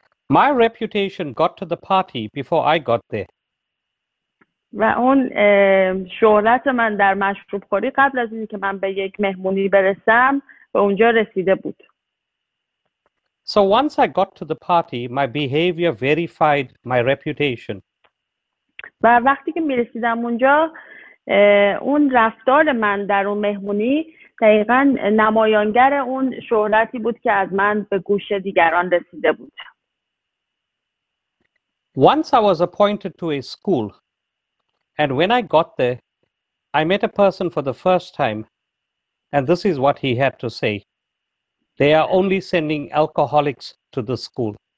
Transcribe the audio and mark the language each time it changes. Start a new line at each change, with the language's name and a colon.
English: My reputation got to the party before I got there.
Persian: و اون شهرت من در مشروب خوری قبل از اینی که من به یک مهمونی برسم به اونجا رسیده بود.
English: So once I got to the party, my behavior verified my reputation.
Persian: و وقتی که میرسیدم اونجا اون رفتار من در اون مهمونی دقیقا نمایانگر اون شهرتی بود که از من به گوش دیگران رسیده بود.
English: Once I was appointed to a school and when I got there I met a person for the first time and this is what he had to say. They are only sending alcoholics to the school.